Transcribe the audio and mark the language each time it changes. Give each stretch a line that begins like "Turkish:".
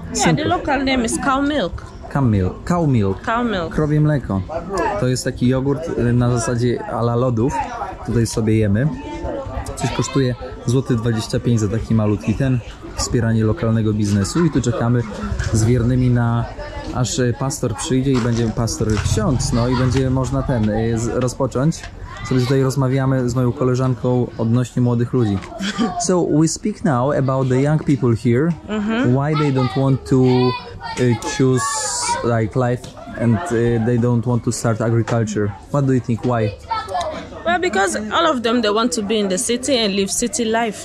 English: Yeah, the local name is cow milk. Cow milk.
Polish: Krowie mleko. To jest taki jogurt na zasadzie a la lodów. Tutaj sobie jemy. Coś kosztuje złoty 25 za taki malutki ten. Wspieranie lokalnego biznesu. I tu czekamy z wiernymi na... Aż pastor przyjdzie i będzie pastor ksiądz. No i będzie można ten rozpocząć. Sobie tutaj rozmawiamy z moją koleżanką odnośnie młodych ludzi.
English: So we speak now about the young people here. Mm-hmm. Why they don't want to choose like life and they don't want to start agriculture. What do you think? Why? Well, because all of them, they want to be in the city and live city life.